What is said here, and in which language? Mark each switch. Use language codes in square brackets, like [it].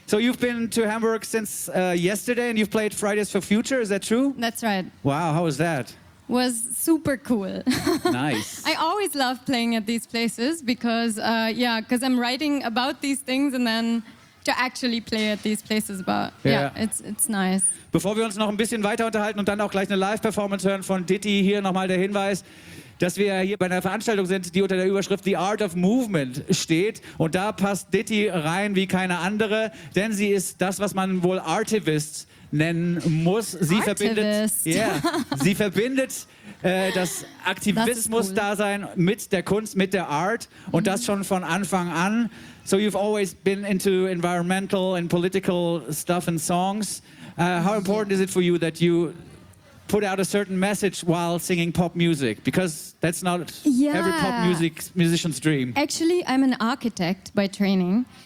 [en] So you've been to Hamburg since yesterday and you've played Fridays for Future. Is that true? That's right. Wow. How was that? Was super cool. Nice. I always love playing at these places because, because I'm writing about these things and then to actually play at these places, but it's nice. [de] Bevor wir uns noch ein bisschen weiter unterhalten und dann auch gleich eine Live-Performance hören von Ditti, hier nochmal der Hinweis, dass wir hier bei einer Veranstaltung sind, die unter der Überschrift The Art of Movement steht. Und da passt Ditti rein wie keine andere, denn sie ist das, was man wohl Artivist nennen muss. Sie verbindet das Aktivismus-Dasein mit der Kunst, mit der Art und das schon von Anfang an. [en] So you've always been into environmental and political stuff and songs. How important is it for you that you put out a certain message while singing pop music? Because that's not every pop music musician's dream. Actually, I'm an architect by training.